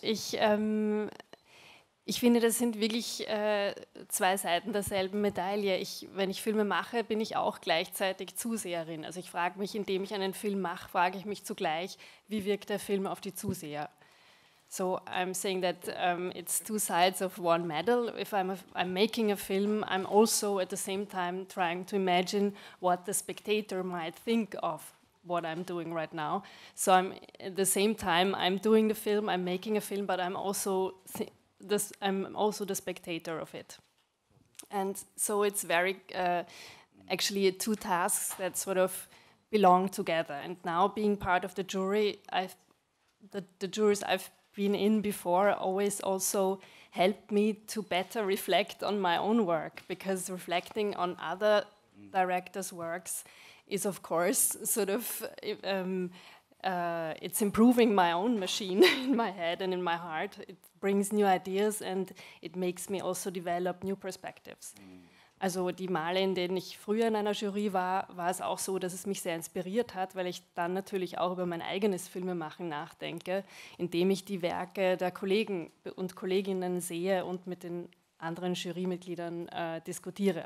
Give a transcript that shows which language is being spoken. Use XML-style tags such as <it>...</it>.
<de>Ich finde, das sind wirklich zwei Seiten derselben Medaille. Wenn ich Filme mache, bin ich auch gleichzeitig Zuseherin. Also ich frage mich, indem ich einen Film mache, frage ich mich zugleich, wie wirkt der Film auf die Zuseher?</de> <en>So I'm saying that it's two sides of one medal. If I'm making a film, I'm also at the same time trying to imagine what the spectator might think of what I'm doing right now. So I'm at the same time I'm doing the film, I'm making a film, but I'm also the spectator of it. And so it's very actually two tasks that sort of belong together. And now being part of the jury, the jurors I've been in before always also helped me to better reflect on my own work, because reflecting on other directors' works is of course sort of it's improving my own machine in my head and in my heart. It brings new ideas and it makes me also develop new perspectives.</en> <de>Also die Male, in denen ich früher in einer Jury war, war es auch so, dass es mich sehr inspiriert hat, weil ich dann natürlich auch über mein eigenes Filmemachen nachdenke, indem ich die Werke der Kollegen und Kolleginnen sehe und mit den anderen Jurymitgliedern diskutiere.</de>